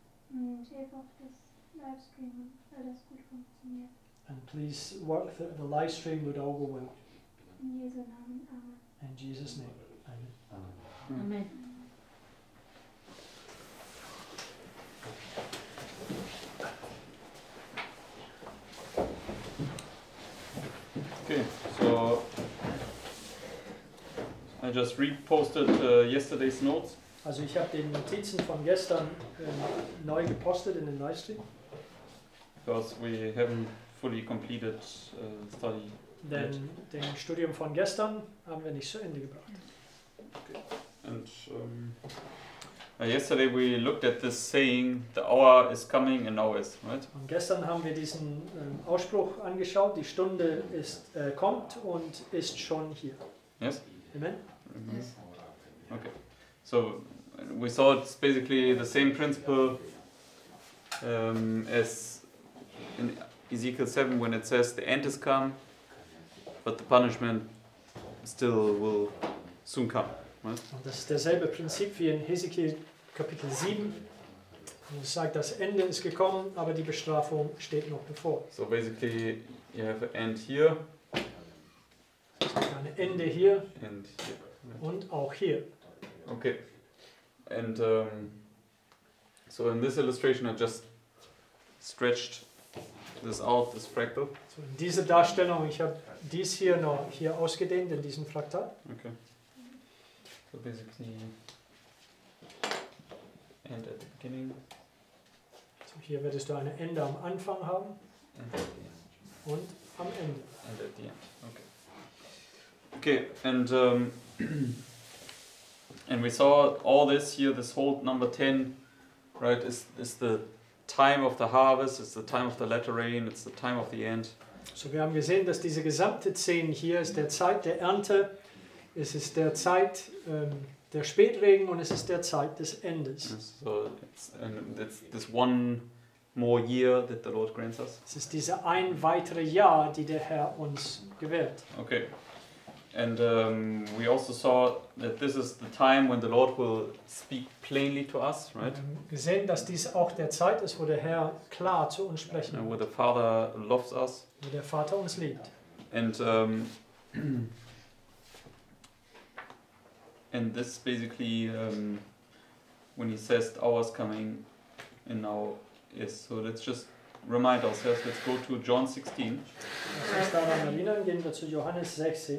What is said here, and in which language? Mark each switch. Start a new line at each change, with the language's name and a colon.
German: Und hilf auch das live stream, weil das gut funktioniert.
English: And please work that the live stream would all go well.
German: In Jesu Namen, Amen.
English: In Jesus' name, Amen. Amen. Amen. Amen. Okay, so I just reposted yesterday's notes.
German: Also ich habe den Notizen von gestern neu gepostet in den Livestream.
English: Because we haven't fully completed study.
German: Denn den Studium von gestern haben wir nicht zu Ende gebracht. Okay.
English: And yesterday we looked at this saying, the hour is coming and now is, right?
German: Und gestern haben wir diesen Ausspruch angeschaut, die Stunde ist kommt und ist schon hier.
English: Yes? Amen? Mm-hmm. Yes. Okay. So, we saw it's basically the same principle as in Ezekiel 7 when it says the end has come, but the punishment still will soon come.
German: Und das ist derselbe Prinzip wie in Hesekiel Kapitel 7, wo es sagt, das Ende ist gekommen, aber die Bestrafung steht noch bevor.
English: So basically, you have an end here.
German: Es gibt ein Ende hier.
English: And here. Right.
German: Und auch hier. Okay.
English: And so in this illustration, I just stretched this out, this fractal.
German: So in dieser Darstellung, ich habe dies hier noch hier ausgedehnt, in diesem Fraktal.
English: Okay. So basically, end at the beginning.
German: So hier würdest du eine Ende am Anfang haben und am Ende.
English: End at the end. Okay. Okay. And and we saw all this here. This whole number 10, right? Is the time of the harvest. It's the time of the latter rain. It's the time of the end.
German: So wir haben gesehen, dass diese gesamte 10 hier ist der Zeit der Ernte. Es ist der Zeit der Spätregen und es ist der Zeit des Endes.
English: So it's this one more year that the Lord grants us.
German: Es ist diese ein weitere Jahr, die der Herr uns gewährt. Okay.
English: And we also saw that this is the time when the Lord will speak plainly to us, right?
German: Wir haben gesehen, dass dies auch der Zeit ist, wo der Herr klar zu uns sprechen.
English: And where the Father loves us.
German: Wo der Vater uns liebt.
English: And and this basically, when he says, the hour's coming, and now is. So let's just remind ourselves, let's go to John 16.
German: Lass uns daran erinnern, gehen wir zu Johannes 16.